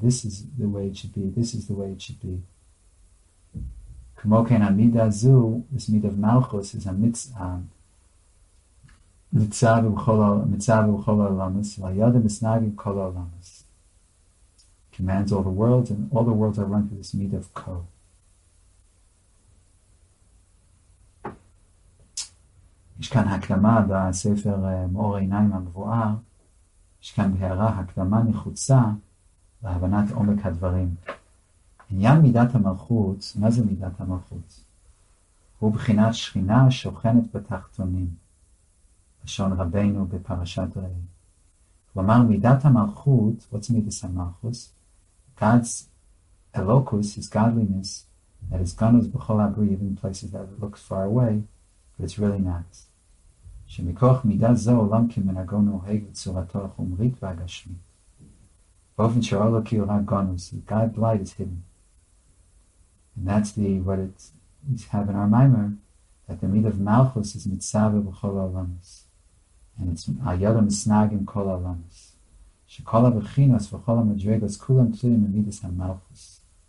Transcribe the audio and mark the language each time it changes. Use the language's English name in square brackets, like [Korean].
[English] This is the way it should be. This is the way it should be. [Hebrew] K'mokein amida zu, [English] this meat of Malchus, is a mitzavah. [Hebrew] Mitzavah u'chol ha'olamos. V'ayadah misnagim kol ha'olamos. [English] Commands all the worlds, and all the worlds are run through this meat of Ko. [Hebrew] יש כאן הקדמה בספר מאור עיניים המבואר, יש כאן בהערה הקדמה נחוצה להבנת עומק הדברים. עניין מידת המלכות, מה זה מידת המלכות? הוא בחינת שכינה שוכנת בתחתונים, לשון רבנו בפרשת ראי. כלומר, מידת המלכות, [English] what's midas [Hebrew] המלכות? [English] God's elokus, his godliness, that is gonos [Hebrew] בכל הברי, [English] even places that look far away, but it's really not. [Hebrew] שמכוח מידה זו עולם כמנהגו נוהג בצורתו החומרית והגשמית. באופן שאור לו כי הוא רק גונוס, [English] God light is hidden. And that's the, what it, we have in our mimer, that the meat of Malchus is mitzavah [Hebrew] בכל העולמוס. [English] And it's [Hebrew] הידה מסנג עם כל העולמוס. שכל הבחינוס וכל המדרגוס כולם תלויים במידס המלכוס.